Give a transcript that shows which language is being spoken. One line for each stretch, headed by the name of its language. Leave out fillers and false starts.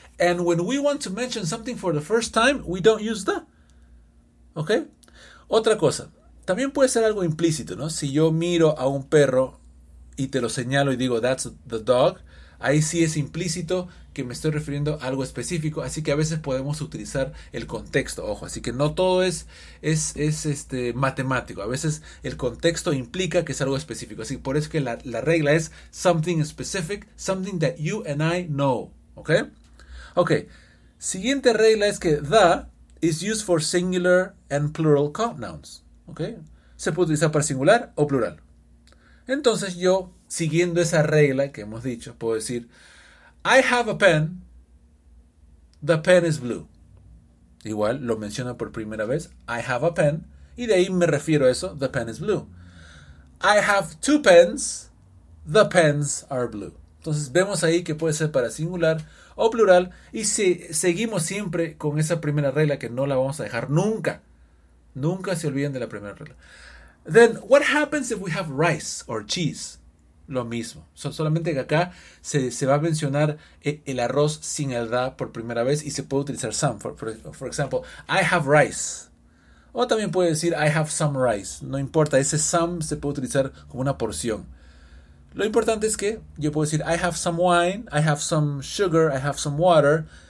English: And when we want to mention something for the first time, we don't use the. ¿Ok?
Spanish: Otra cosa, también puede ser algo implícito, ¿no? Si yo miro a un perro y te lo señalo y digo
English: that's the dog,
Spanish: ahí sí es implícito que me estoy refiriendo a algo específico, así que a veces podemos utilizar el contexto, ojo, así que no todo es matemático, a veces el contexto implica que es algo específico, así que por eso que la regla es
English: something specific, something that you and I know,
Spanish: ¿ok? Ok, siguiente regla es que
English: the is used for singular and plural compounds,
Spanish: ¿ok? Se puede utilizar para singular o plural. Entonces yo, siguiendo esa regla que hemos dicho, puedo decir,
English: I have a pen, the pen is blue.
Spanish: Igual, lo menciono por primera vez,
English: I have a pen,
Spanish: y de ahí me refiero a eso,
English: the pen is blue. I have two pens, the pens are blue.
Spanish: Entonces vemos ahí que puede ser para singular o plural, y si seguimos siempre con esa primera regla que no la vamos a dejar nunca, nunca se olviden de la primera regla.
English: Then, what happens if we have rice or cheese?
Spanish: Lo mismo. Solamente que acá se va a mencionar el arroz sin el da por primera vez y se puede utilizar some.
English: For example, I have rice.
Spanish: O también puede decir
English: I have some rice.
Spanish: No importa, ese some se puede utilizar como una porción. Lo importante es que yo puedo decir
English: I have some wine, I have some sugar, I have some water.